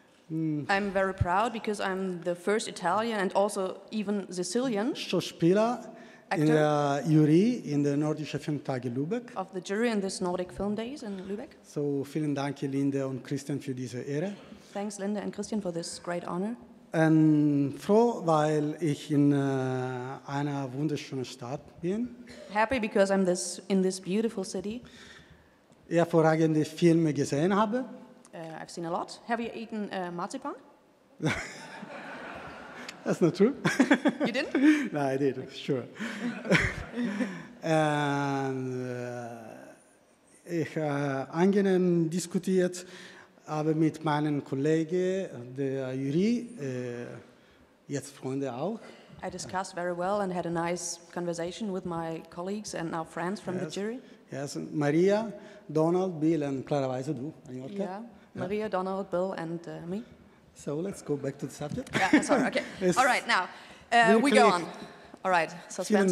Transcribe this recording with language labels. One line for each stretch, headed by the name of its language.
English: I'm very proud because I'm the first Italian and also even Sicilian.
German: Schauspieler in der Jury in der Nordische Filmtage Lübeck.
English: Of the jury in this Nordic Film Days in Lübeck.
German: So, vielen Dank, Linde und Christian, für diese Ehre.
English: Thanks, Linda and Christian, for this great honor.
German: And froh, weil ich in einer wunderschönen Stadt bin.
English: Happy because I'm this in this beautiful city.
German: Hervorragende Filme gesehen habe.
English: I've seen a lot. Have you eaten Marzipan? That's not true. You didn't? No, I did. Okay. Sure. And
German: ich angenehm diskutiert. Aber mit meinen Kollegen der Jury, jetzt Freunde auch.
English: I discussed very well and had a nice conversation with my colleagues and now friends from the jury. Yes, Maria, Donald, Bill and
German: klarerweise du,
English: Anjorka. Yeah, Maria, Donald, Bill and me. So let's go back to the subject. Yeah, sorry, okay. All right, now, we go on. All right, suspense